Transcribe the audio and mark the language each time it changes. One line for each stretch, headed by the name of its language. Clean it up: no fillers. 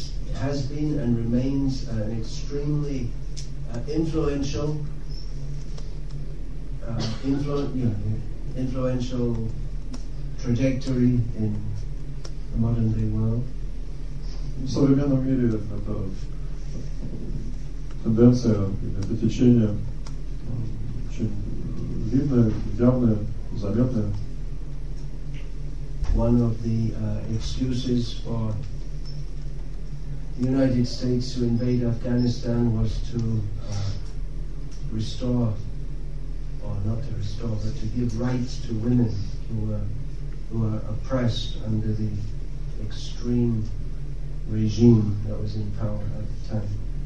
English: It has been and remains an extremely influential influential trajectory in the modern day world.
Russian: В современном мире это тенденция, это течение очень видное, явное, заметное.
English: One of the excuses for United States to invade Afghanistan was to restore, or not to restore, but to give rights to women who were oppressed under the extreme regime that was in power at the time.